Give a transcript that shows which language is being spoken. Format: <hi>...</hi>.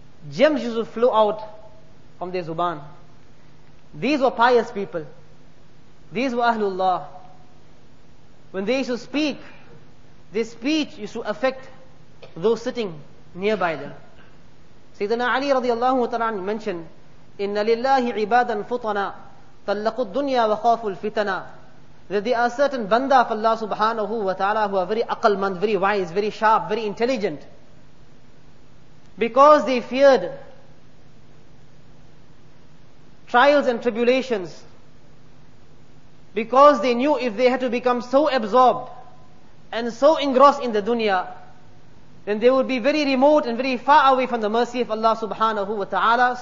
<en>Gems used to flow out from their zuban. These were pious people. These were Ahlullah. When they used to speak, their speech used to affect those sitting nearby them. Sayyidina Ali radiallahu ta'ala mentioned,</en> <ar>إِنَّ لِلَّهِ عِبَادًا فُطَنَا طَلَّقُوا الدُّنْيَا وَخَافُوا الْفِتَنَا.</ar> <en>That there are certain banda of Allah subhanahu wa ta'ala who are very aqalmand, very wise, very sharp, very intelligent. Because they feared trials and tribulations, because they knew if they had to become so absorbed and so engrossed in the dunya, then they would be very remote and very far away from the mercy of Allah subhanahu wa ta'ala.</en>